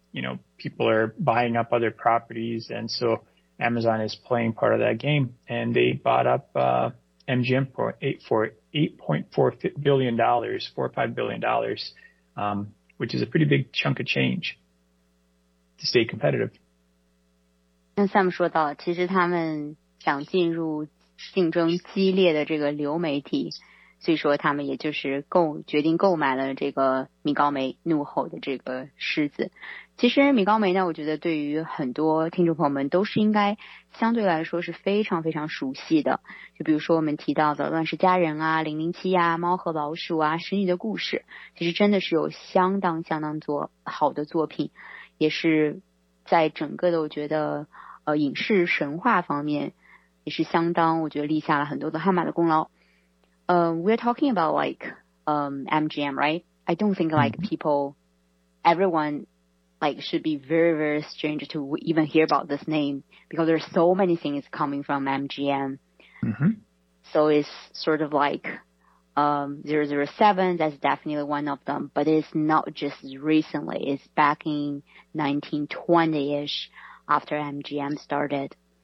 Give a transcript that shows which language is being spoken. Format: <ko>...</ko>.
<en>You know, people are buying up other properties, and so Amazon is playing part of that game. And they bought up MGM for $4 or $5 billion, which is a pretty big chunk of change to stay competitive.</en> <zh>那 Sam 说到，其实他们想进入竞争激烈的这个流媒体，所以说他们也就是决定购买了这个米高梅怒吼的这个狮子。其实米高梅呢，我觉得对于很多听众朋友们都是应该相对来说是非常非常熟悉的，就比如说我们提到的《乱世佳人》啊，《007》啊，《猫和老鼠》啊，《使女的故事》，其实真的是有相当相当多好的作品，也是在整个的我觉得影视神话方面也是相当我觉得立下了很多的汗马的功劳。</zh> <en>We're talking about like MGM, right? I don't think like people, everyone like should be very, very strange to even hear about this name because there are so many things coming from MGM. So it's sort of like 007, that's definitely one of them, but it's not just recently, it's back in 1920-ish after MGM started.</en>